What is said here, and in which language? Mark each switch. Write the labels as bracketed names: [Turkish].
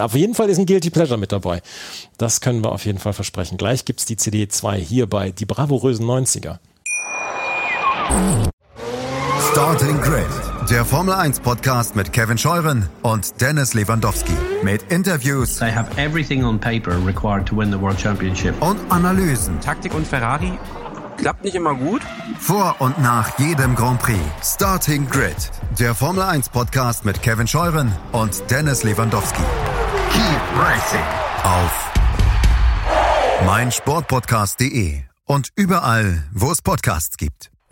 [German] Auf jeden Fall ist ein Guilty Pleasure mit dabei. Das können wir auf jeden Fall versprechen. Gleich gibt es die CD 2 hier bei Die Bravourösen 90er. Starting Grid, der Formel-1-Podcast mit Kevin Scheuren und Dennis Lewandowski. Mit Interviews. [English] I have everything on paper required to win the World Championship. [German] Und Analysen. Taktik und Ferrari klappt nicht immer gut. Vor und nach jedem Grand Prix. Starting Grid, der Formel-1-Podcast mit Kevin Scheuren und Dennis Lewandowski. [English] Keep racing. [German] Auf meinsportpodcast.de und überall, wo es Podcasts gibt.